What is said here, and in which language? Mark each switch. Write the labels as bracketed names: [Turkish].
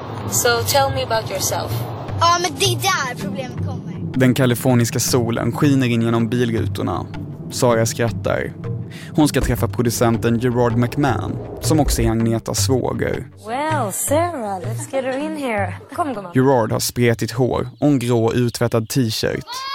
[English] So tell me about yourself. [Swedish] Ja, men det är där problemet kommer. Den kaliforniska solen skiner in genom bilrutorna. Sara skrattar. Hon ska träffa producenten Gerard McMahon, som också är Agnetas svåger. [English] Well, Sarah, let's get her in here. [Swedish] Kom, kom. Gerard har spretigt hår och en grå uttvättad t-shirt.